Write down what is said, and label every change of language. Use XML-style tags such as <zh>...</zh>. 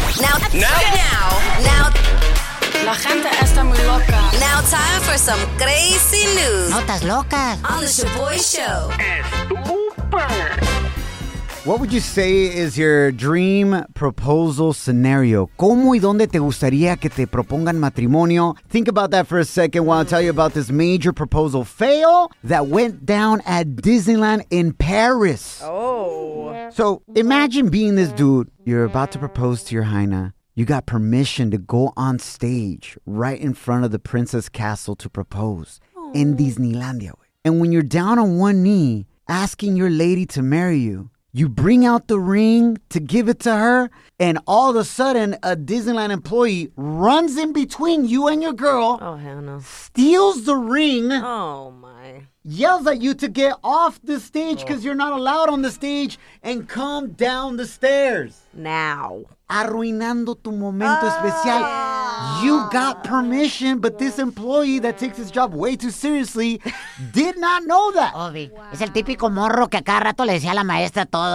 <en>Now.</en> <es>La gente está muy loca.</es> <en>Now time for some crazy news.</en> <es>Notas locas.</es> <en>On the Shaboy Show. Estúper. What would you say is your dream proposal scenario?</en> <es>¿Cómo y dónde te gustaría que te propongan matrimonio?</es> <en>Think about that for a second while I tell you about this major proposal fail that went down at Disneyland in Paris. Oh. So imagine being this dude. You're about to propose to your Haina. You got permission to go on stage right in front of the princess castle to propose in Disneylandia. And when you're down on one knee asking your lady to marry you, you bring out the ring to give it to her, and all of a sudden, a Disneyland employee runs in between you and your girl. Oh, hell no. Steals the ring. Oh, my. Yells at you to get off the stage because you're not allowed on the stage, and come down the stairs. Now.</en> <es>Arruinando tu momento especial.</es> <en>You got permission, but this employee that takes his job way too seriously did not know that.</en> <es>Obi, es el típico morro que a cada rato le decía a la maestra todo.</es>